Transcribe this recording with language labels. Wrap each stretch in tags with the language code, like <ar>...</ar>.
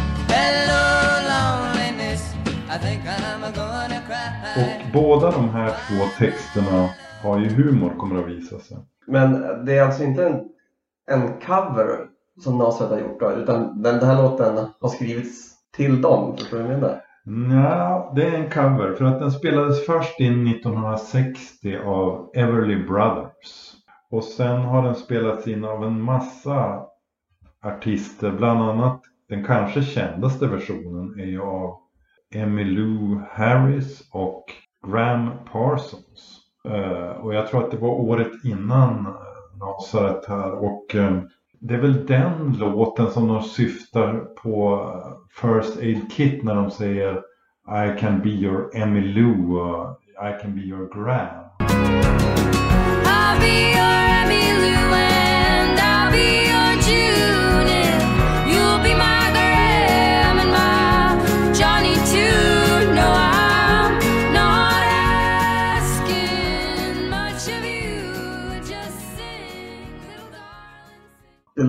<en>Hello Loneliness, I think I'm gonna cry.</en> <sv>Och båda de här två texterna har ju humor, kommer att visa sig. Men det är alltså inte en cover som Nasred har gjort då, utan den här låten har skrivits till dem, tror du menar? Ja, det är en cover, för att den spelades först in 1960 av Everly Brothers. Och sen har den spelats in av en massa artister, bland annat den kanske kändaste versionen är ju av Emmylou Harris och Gram Parsons. Och jag tror att det var året innan Nasaret här, och det är väl den låten som de syftar på First Aid Kit när de säger</sv> <en>I can be your Emmylou, I can be your Gram. I'll be your Emmylou and I'll be your June, you'll be my Gram and my Johnny too. No, I'm not asking much of you, just sing little darling.</en>